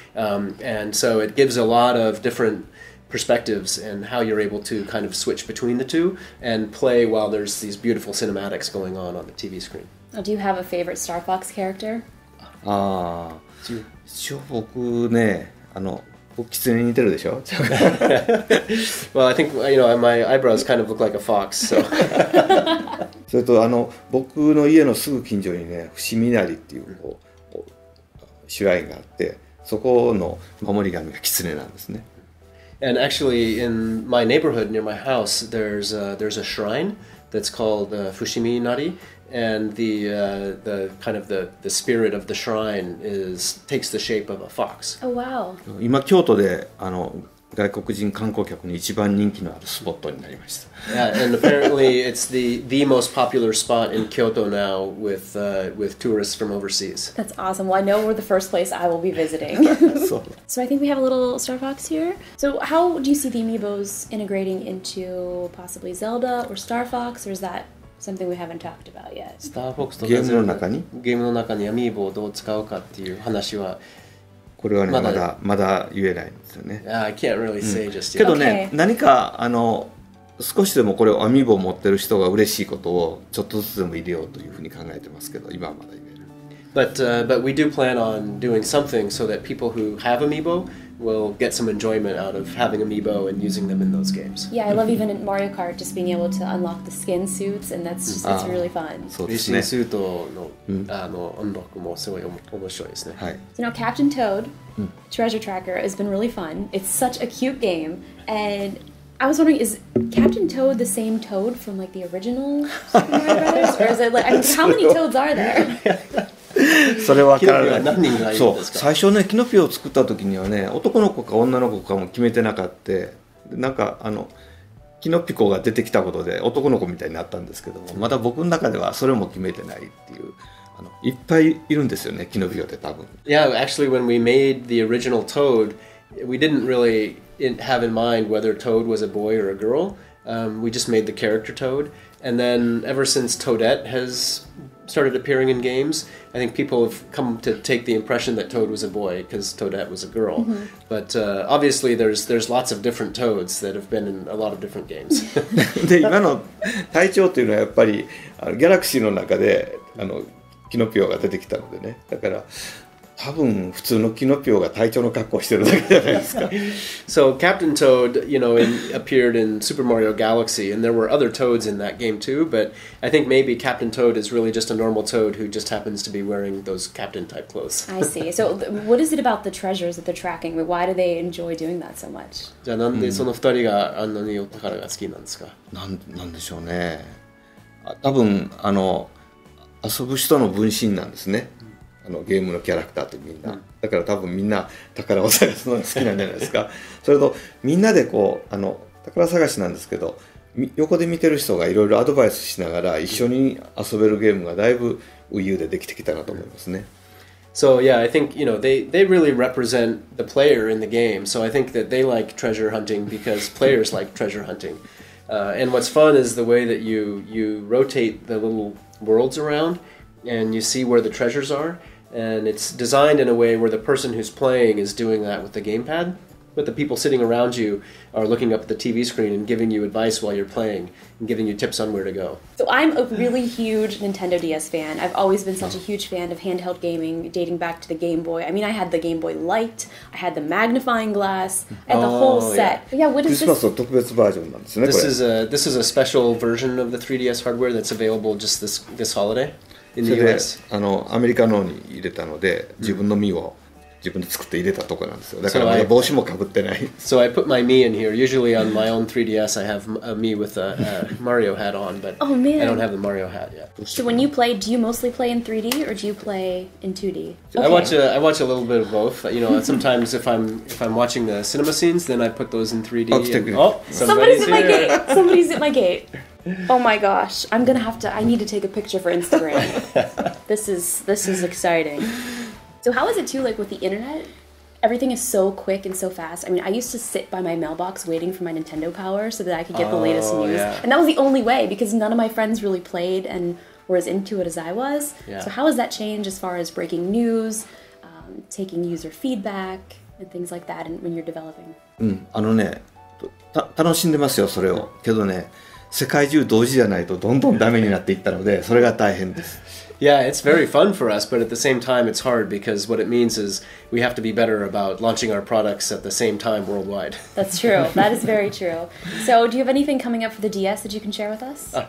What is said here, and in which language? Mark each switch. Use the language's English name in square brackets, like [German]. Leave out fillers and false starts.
[English] And so it gives a lot of different perspectives and how you're able to kind of switch between the two and play while there's these beautiful cinematics going on the TV screen. Oh, do you have a favorite Star Fox character? Ah, so [Japanese] 僕ね、僕キツネに似てるでしょ。 [English] Well, I think you know my eyebrows kind of look like a fox. So. [Japanese] それと僕の家のすぐ近所にね、伏見稲荷っていうこう守護神があって、そこの守り神がキツネなんですね。 [English] And actually, in my neighborhood near my house, there's a shrine that's called Fushimi Inari, and the kind of the spirit of the shrine takes the shape of a fox. Oh wow! [Japanese] 今京都で外国人観光客に一番人気のあるスポットになりました。 [English] Yeah, and apparently it's the most popular spot in Kyoto now with tourists from overseas. That's awesome. Well, I know we're the first place I will be visiting. So I think we have a little Star Fox here. So how do you see the amiibos integrating into possibly Zelda or Star Fox, or is that something we haven't talked about yet? [Japanese] Star Fox とゲームの中に？ゲームの中にアミーボをどう使うかっていう話は。これはね、まだ言えないんですよね。 [English] I can't really say just yet. [Japanese] けどね、何か少しでもこれをアミーボを持ってる人が嬉しいことをちょっとずつでも入れようというふうに考えてますけど、今はまだ言えない。 [English] But we do plan on doing something so that people who have amiibo will get some enjoyment out of having amiibo and using them in those games. Yeah, I love even in Mario Kart just being able to unlock the skin suits, and that's really fun. [Japanese] そうですね。スーツのアンロックもすごい面白いですね。はい。 [English] You know, Captain Toad, Treasure Tracker has been really fun. It's such a cute game, and I was wondering, is Captain Toad the same Toad from like the original Super Mario Brothers, or is it like, how many Toads are there? [Japanese] それは分からない。キノピオは何人がいるんですか？そう、最初ね、キノピオを作った時にはね、男の子か女の子かも決めてなかって、なんかキノピコが出てきたことで男の子みたいになったんですけども、まだ僕の中ではそれも決めてないっていう。いっぱいいるんですよね、キノピオって多分。 [English] Yeah, actually when we made the original Toad, we didn't really have in mind whether Toad was a boy or a girl. We just made the character Toad. And then ever since Toadette has started appearing in games, I think people have come to take the impression that Toad was a boy because Toadette was a girl. Mm-hmm. But obviously there's lots of different Toads that have been in a lot of different games. [Japanese] で、今の隊長というのはやっぱりギャラクシーの中でキノピオが出てきたのでね。だから多分普通のキノピオが隊長の格好してるだけじゃないですか。 [English] So Captain Toad, you know, in, appeared in Super Mario Galaxy, and there were other Toads in that game too. But I think maybe Captain Toad is really just a normal Toad who just happens to be wearing those Captain type clothes. I see. So what is it about the treasures that they're tracking? Why do they enjoy doing that so much? [Japanese] じゃあなんでその二人があんなにお宝が好きなんですか？なんでしょうね。多分あの遊ぶ人の分身なんですね。あのゲームのキャラクターってみんな、うん、だから多分みんな宝を探すのが好きなんじゃないですか。それとみんなでこうあの宝探しなんですけど、横で見てる人がいろいろアドバイスしながら一緒に遊べるゲームがだいぶ Wii U でできてきたなと思いますね。 [English] So yeah, I think, you know, they really represent the player in the game. So I think that they like treasure hunting because players like treasure hunting. And what's fun is the way that you rotate the little worlds around. And you see where the treasures are, and it's designed in a way where the person who's playing is doing that with the gamepad, but the people sitting around you are looking up at the TV screen and giving you advice while you're playing, and giving you tips on where to go. So I'm a really huge Nintendo DS fan. I've always been such a huge fan of handheld gaming, dating back to the Game Boy. I mean, I had the Game Boy Light, I had the magnifying glass, and the whole set. Yeah, what is this? [Japanese] Christmas の特別バージョンなんですね、これ。 [English] This is a special version of the 3DS hardware that's available just this holiday. [Japanese] それであのアメリカの方に入れたので自分のミを自分で作って入れたとこなんですよ。だからまだ帽子もかぶってない。 [English] So I put my Mi in here. Usually on my own 3DS I have a Mi with a Mario hat on, but oh, man. I don't have the Mario hat yet. So when you play, do you mostly play in 3D or do you play in 2D? Okay. I watch a little bit of both. You know, sometimes if I'm watching the cinema scenes, then I put those in 3D. Oh, somebody's at my gate. Somebody's at my gate. Oh my gosh, I'm gonna have to, I need to take a picture for Instagram. this is exciting. So how is it too, like with the internet? Everything is so quick and so fast. I mean, I used to sit by my mailbox waiting for my Nintendo Power so that I could get the latest news. Yeah. And that was the only way because none of my friends really played and were as into it as I was. Yeah. So how has that changed as far as breaking news, taking user feedback and things like that and when you're developing? [Japanese] あのね、楽しんでますよ、それを。けどね、世界中同時じゃないとどんどんダメになっていったので、それが大変です。 [English] Yeah, it's very fun for us, but at the same time, it's hard because what it means is we have to be better about launching our products at the same time worldwide. That's true. That is very true. So, do you have anything coming up for the DS that you can share with us?